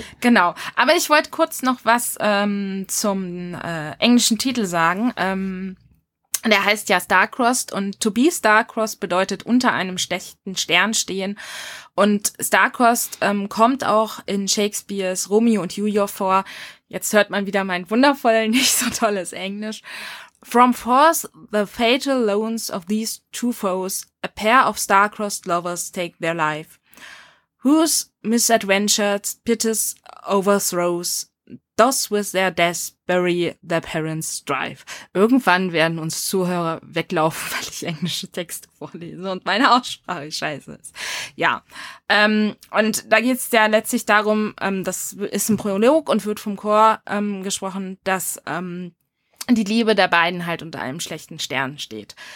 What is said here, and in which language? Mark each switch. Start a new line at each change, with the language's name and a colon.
German: Genau, aber ich wollte kurz noch was zum englischen Titel sagen. Der heißt ja Star-Crossed, und
English: to be Star-Crossed
German: bedeutet unter einem schlechten Stern stehen. Und Star-Crossed kommt auch in Shakespeares Romeo und Julia vor. Jetzt hört man wieder mein wundervoll nicht so tolles Englisch.
English: From forth the fatal loans of these two foes, a pair of star-crossed lovers take their life. Whose misadventures pitis overthrows, thus with their deaths bury their parents' strife.
German: Irgendwann werden uns Zuhörer weglaufen, weil ich englische Texte vorlese und meine Aussprache scheiße ist. Ja, und da geht's ja letztlich darum, das ist ein Prolog und wird vom Chor gesprochen, dass die Liebe der beiden halt unter einem schlechten Stern steht.